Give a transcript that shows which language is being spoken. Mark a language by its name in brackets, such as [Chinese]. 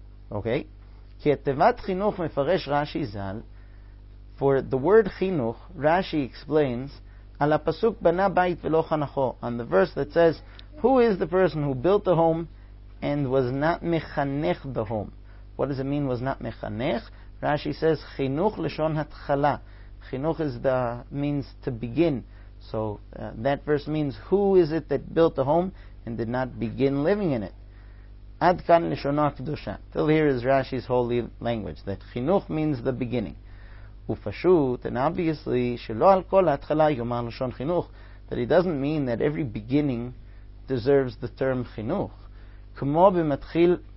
[Hebrew] Okay. Ki etevat chinuch mefaresh Rashi Zal. [English] For the word chinuch, Rashi explains, [Hebrew] על הפסוק בנה בית ולא חנכו, [English] on the verse that says, who is the person who built the home and was not מחנך the home? What does it mean, was not מחנך? Rashi says, [Hebrew] חינוך לשון התחלה. [English] חינוך is the, means to begin. So that verse means, who is it that built the home and did not begin living in it? [Hebrew] עד כאן לשונו הקדושה. [English] Till here is Rashi's holy language, that חינוך means the beginning. [Hebrew] ופשוט, [English] and obviously, [Hebrew] שלא על כל ההתחלה יאמר לשון חינוך, [English] that it doesn't mean that every beginning deserves the term חינוך. [Hebrew] כמו במתחיל